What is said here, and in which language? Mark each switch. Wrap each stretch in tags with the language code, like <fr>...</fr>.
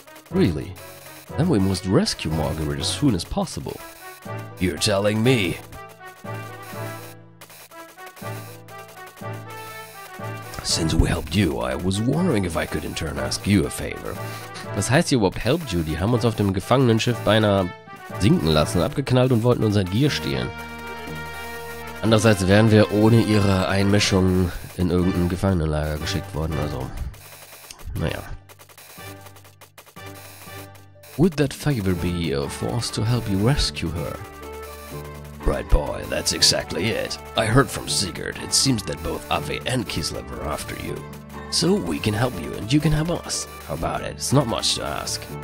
<en>Really? Then we must rescue Margaret as soon as possible. You're telling me. Since we helped you, I was wondering if I could in turn ask you a favor.</en> <de>Was heißt hier überhaupt</de> <en>helped you?</en> <de>Die haben uns auf dem Gefangenenschiff beinahe sinken lassen, abgeknallt und wollten unser Gear stehlen. Andererseits wären wir ohne ihre Einmischung in irgendein Gefangenenlager geschickt worden, also... Naja.</de> <en>Would that favor be for us to help you rescue her? Right boy, that's exactly it. I heard from Sigurd, it seems that both Ave and Kislev are after you. So we can help you and you can help us. How about it? It's not much to ask.</en>